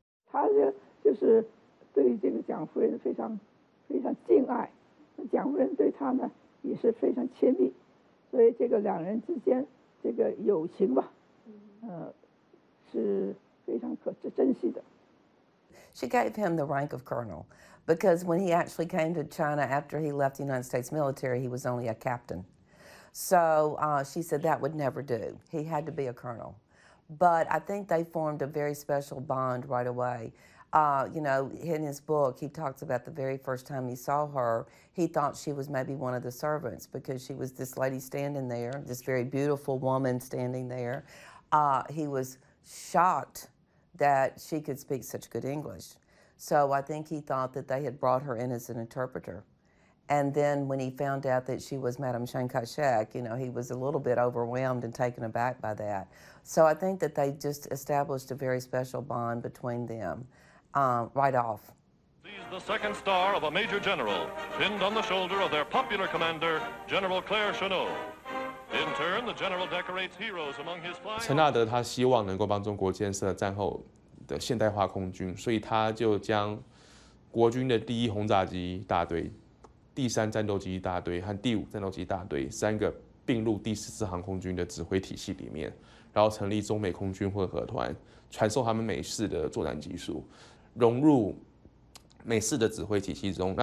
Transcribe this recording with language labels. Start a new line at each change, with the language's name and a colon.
Chinese: 他就是对这个蒋夫人非常非常敬爱，蒋夫人对他呢也是非常亲密，所以这个两人之间这个友情吧，是非常可珍惜的。
English: She gave him the rank of colonel, because when he actually came to China after he left the United States military, he was only a captain. So, she said that would never do. He had to be a colonel. But I think they formed a very special bond right away. You know, in his book, he talks about the very first time he saw her, he thought she was maybe one of the servants because she was this lady standing there, this very beautiful woman standing there. He was shocked that she could speak such good English. So I think he thought that they had brought her in as an interpreter. And then when he found out that she was Madame Chiang Kai-shek, you know, he was a little bit overwhelmed and taken aback by that. So I think that they just established a very special bond between them, right off. He's the second star of a major general, pinned on the shoulder of their popular commander, General Claire Chenault. In turn, the general decorates heroes among his flying.
Chinese: 陈纳德他希望能够帮中国建设战后的现代化空军，所以他就将国军的第一轰炸机大队、第三战斗机大队和第五战斗机大队三个并入第14航空军的指挥体系里面，然后成立中美空军混合团，传授他们美式的作战技术，融入美式的指挥体系中。